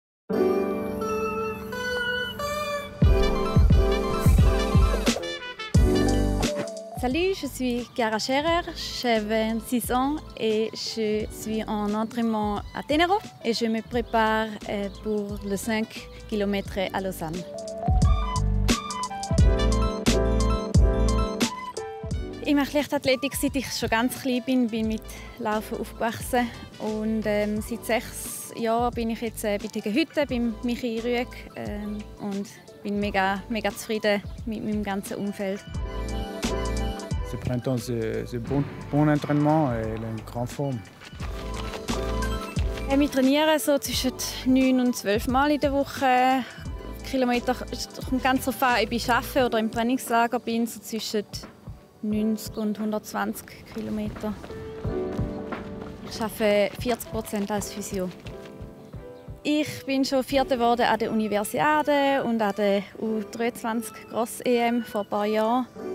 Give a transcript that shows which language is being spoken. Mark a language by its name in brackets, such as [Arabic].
[French] Salut, je suis Chiara Scherer, j'ai 26 ans et je suis en entraînement à Ténérife et je me prépare pour le 5 km à Lausanne. [German] Im Leichtathletik, seit ich schon ganz klein bin, bin mit Laufen aufgewachsen und seit 6 Jahren bin ich jetzt bei Tegenhütte, bei Michi Rüeg und bin mega, mega zufrieden mit meinem ganzen Umfeld. [French] Ce printemps, c'est bon entraînement et il est en grande forme. [German] Wir trainieren so zwischen 9 und 12 Mal in der Woche. Kilometer kommt ganz darauf an, ob ich arbeite oder im Trainingslager bin, so zwischen 90 und 120 Kilometer. Ich arbeite 40% als Physio. Ich bin schon Vierte geworden an der Universiade und an der U23 Gross-EM vor ein paar Jahren.